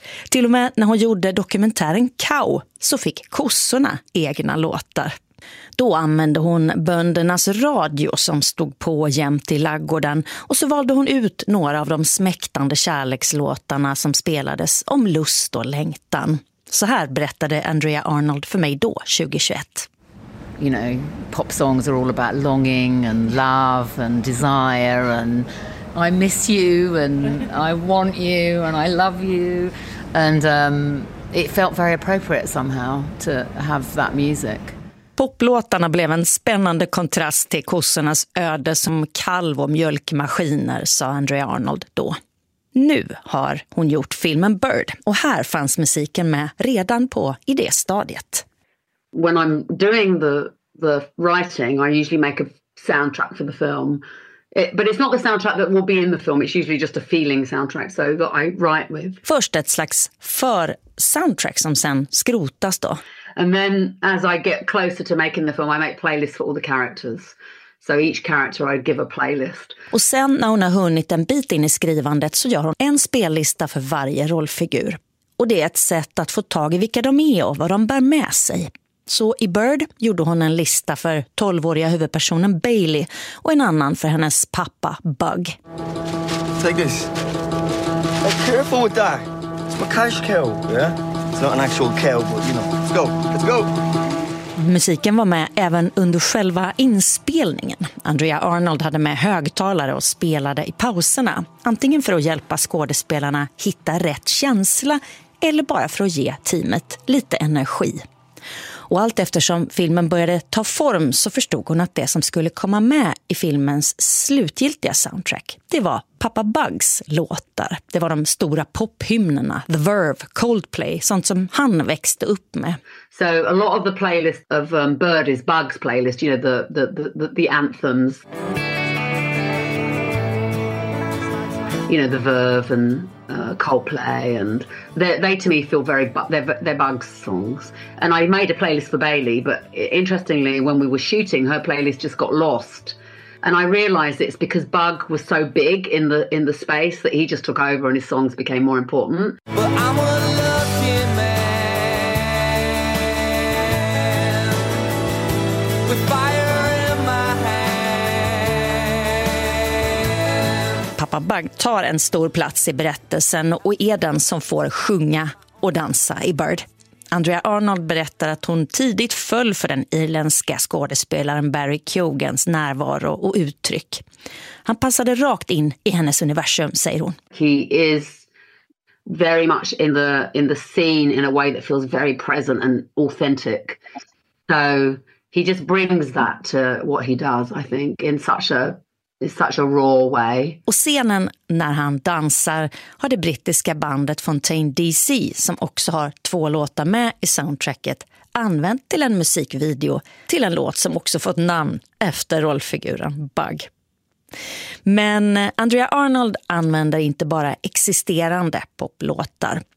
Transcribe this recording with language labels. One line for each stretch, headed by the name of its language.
Swedish: Till och med när hon gjorde dokumentären Cow så fick kossorna egna låtar. Då använde hon böndernas radio som stod på jämt i laggården och så valde hon ut några av de smäktande kärlekslåtarna som spelades om lust och längtan. Så här berättade Andrea Arnold för mig då 2021.
English: You know, pop songs are all about longing and love and desire and I miss you and I want you and I love you and it felt very appropriate somehow to have that music.
Swedish: Poplåtarna blev en spännande kontrast till kossornas öde som kalv och mjölkmaskiner, sa Andrea Arnold då. Nu har hon gjort filmen Bird och här fanns musiken med redan på idéstadiet.
English: When I'm doing the writing, I usually make a soundtrack for the film. But it's not the soundtrack that will be in the film, it's usually just a feeling soundtrack so that I write with.
Swedish: Först ett slags för soundtrack som sen skrotas då.
English: And then as I get closer to making the film, I make playlists for all the characters. So each character I give a playlist.
Swedish: Och sen när hon har hunnit en bit in i skrivandet så gör hon en spellista för varje rollfigur. Och det är ett sätt att få tag i vilka de är och vad de bär med sig. Så i Bird gjorde hon en lista för 12-åriga huvudpersonen Bailey och en annan för hennes pappa Bug.
English: Take this. Be careful with that. It's my cash cow, yeah? It's not an actual kill, but you know, let's go, let's go.
Swedish: Musiken var med även under själva inspelningen. Andrea Arnold hade med högtalare och spelade i pauserna. Antingen för att hjälpa skådespelarna hitta rätt känsla eller bara för att ge teamet lite energi. Och allt eftersom filmen började ta form så förstod hon att det som skulle komma med i filmens slutgiltiga soundtrack, det var Papa Bugs låtar. Det var de stora pophymnerna, The Verve, Coldplay, sånt som han växte upp med.
English: So a lot of the playlist of Bird is Bugs playlist, you know, the anthems. You know, The Verve and Coldplay, and they to me feel very they're Bugs songs. And I made a playlist for Bailey, but interestingly, when we were shooting, her playlist just got lost. And I realized it's because Bug was so big in the space that he just took over, and his songs became more important. But I'm a lucky man.
Swedish: Bug tar en stor plats i berättelsen och är den som får sjunga och dansa i Bird. Andrea Arnold berättar att hon tidigt föll för den irländska skådespelaren Barry Keoghans närvaro och uttryck. Han passade rakt in i hennes universum, säger hon.
English: He is very much in the scene in a way that feels very present and authentic. So he just brings that to what he does, I think, in such a raw way.
Swedish: Och scenen när han dansar har det brittiska bandet Fontaine DC, som också har 2 låtar med i soundtracket, använt till en musikvideo till en låt som också fått namn efter rollfiguren Bug. Men Andrea Arnold använder inte bara existerande poplåtar.